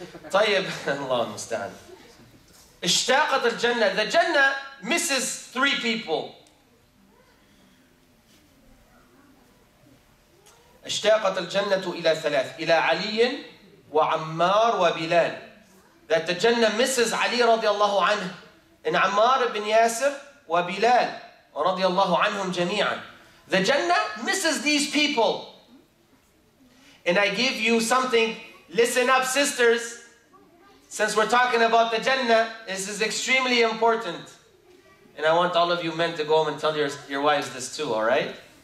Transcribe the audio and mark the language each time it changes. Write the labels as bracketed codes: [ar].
[en] Tayyib, Allah understand. [ar] اشتاقت الجنة. [en] The Jannah misses three people. [ar] اشتاقت الجنة إلى ثلاث. إلى علي وعمار وبلال. [en] That the Jannah misses Ali رضي الله عنه. [ar] And عمار بن ياسر وبلال رضي الله عنهم جميعا. [en] The Jannah misses these people. And I give you something. Listen up, sisters. Since we're talking about the Jannah, this is extremely important. And I want all of you men to go home and tell your wives this too, alright?